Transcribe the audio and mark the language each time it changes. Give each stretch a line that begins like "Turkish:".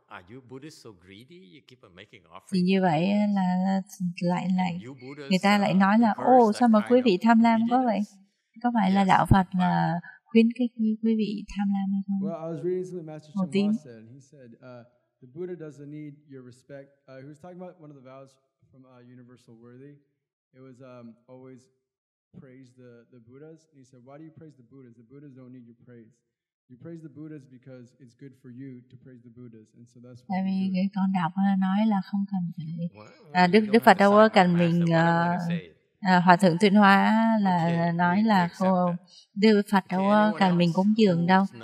English: Are you Buddhist so greedy you keep on making offering?
Vietnamese: Như vậy là lại người ta lại nói là ô sao mà quý vị tham lam quá vậy? Có phải là đạo Phật là khuyến khích quý vị tham lam hay không?
English: Well, I was reading something Master Chan Ma said. He said the Buddha doesn't need your respect. He was talking about one of the vows from Universal Worthy. It was always praise the Buddhas. And he said, why do you praise the Buddhas? The Buddhas don't need your praise. You praise the Buddhas because it's good for you to praise the Buddhas. And so that's why.
Vietnamese: Tại vì con đọc nói là không cần phải. Đức Phật đâu có cần mình. Hòa Thượng Tuyên Hóa là nói là cô đưa Phật đâu có cần mình cúng dường đâu.